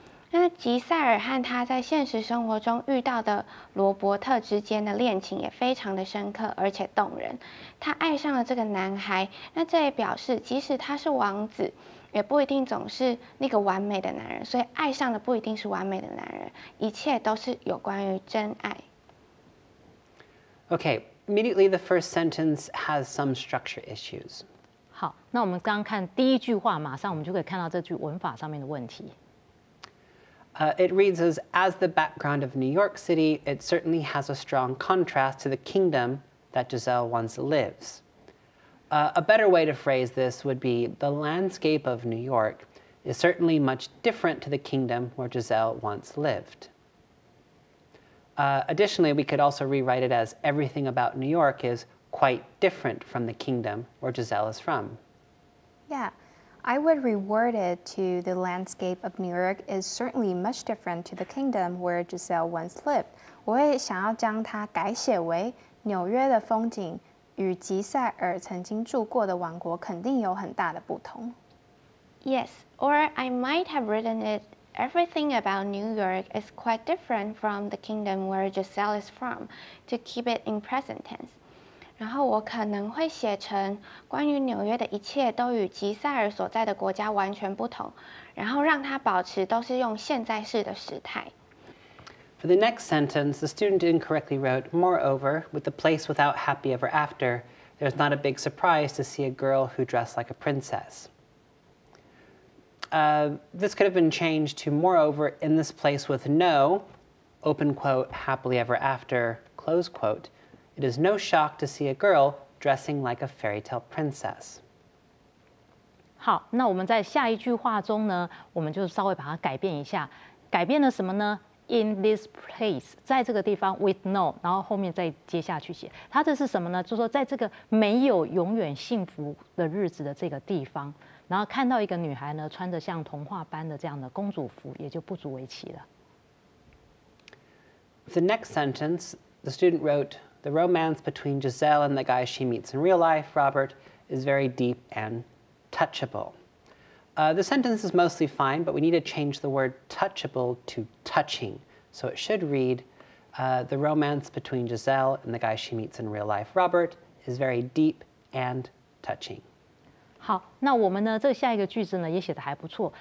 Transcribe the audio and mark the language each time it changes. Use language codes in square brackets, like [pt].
[zh] 那吉塞尔和他在现实生活中遇到的罗伯特之间的恋情也非常的深刻而且动人，他爱上了这个男孩，那这也表示即使他是王子也不一定总是那个完美的男人，所以爱上的不一定是完美的男人，一切都是有关于真爱。 [en] Okay, immediately the first sentence has some structure issues. [zh] 好，那我们刚刚看第一句话，马上我们就可以看到这句文法上面的问题。 [en] It reads as the background of New York City, it certainly has a strong contrast to the kingdom that Giselle once lives. A better way to phrase this would be the landscape of New York is certainly much different to the kingdom where Giselle once lived. Additionally, we could also rewrite it as everything about New York is quite different from the kingdom where Giselle is from. Yeah. I would reword it to the landscape of New York is certainly much different to the kingdom where Giselle once lived. [zh] 我也想要将它改写为纽约的风景与吉塞尔曾经住过的王国肯定有很大的不同。 [en] Yes, or I might have written it, everything about New York is quite different from the kingdom where Giselle is from, to keep it in present tense. [zh] 然后我可能会写成关于纽约的一切都与吉塞尔所在的国家完全不同，然后让它保持都是用现在式的时态。 [en] For the next sentence, the student incorrectly wrote, Moreover, with the place without happy ever after, there's not a big surprise to see a girl who dressed like a princess. This could have been changed to, Moreover, in this place with no, open quote, happily ever after, close quote,It is no shock to see a girl dressing like a fairy tale princess. [zh] 好，那我们在下一句话中呢，我们就稍微把它改变一下。改变了什么呢 ？ [en] In this place， [zh] 在这个地方 ， [en] with no， [zh] 然后后面再接下去写。它这是什么呢？就是说，在这个没有永远幸福的日子的这个地方，然后看到一个女孩呢，穿着像童话般的这样的公主服，也就不足为奇了。 [en] The next sentence, the student wrote. The romance between Giselle and the guy she meets in real life, Robert, is very deep and touchable. The sentence is mostly fine, but we need to change the word touchable to touching. So it should read, the romance between Giselle and the guy she meets in real life, Robert, is very deep and touching. [zh] 好，那我们呢，这下一个句子呢也写得还不错。